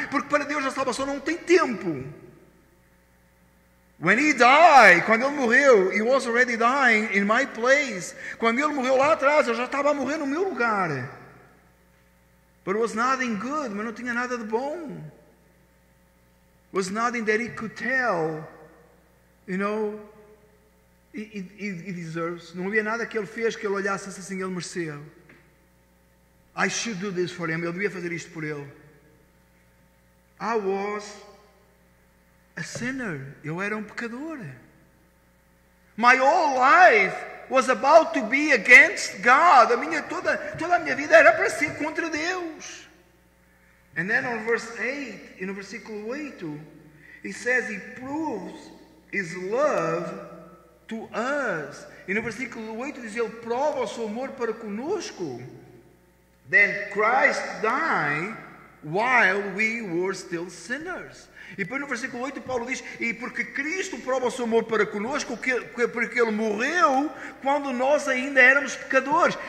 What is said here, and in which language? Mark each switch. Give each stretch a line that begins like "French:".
Portuguese: Porque para Deus a salvação não tem tempo.
English: When he died,
Portuguese: quando ele morreu,
English: he was already dying in my place.
Portuguese: Quando ele morreu lá atrás, eu já estava a morrer no meu lugar.
English: But it was nothing good,
Portuguese: mas não tinha nada de bom.
English: It was nothing that he could tell, you know, he deserves.
Portuguese: Não havia nada que ele fez que ele olhasse assim, ele merecia.
English: I should do this for him,
Portuguese: eu devia fazer isto por ele.
English: I was a sinner,
Portuguese: eu era pecador.
English: My whole life was about to be against God.
Portuguese: Toda a minha vida era para ser contra Deus.
English: And then on verse 8, in versículo 8, he says he proves his love to us.
Portuguese: In versículo 8, diz ele prova o seu amor para conosco.
English: Then Christ died while we were still sinners.
Portuguese: E depois no versículo 8 Paulo diz, e porque Cristo prova o seu amor para conosco, porque ele morreu quando nós ainda éramos pecadores.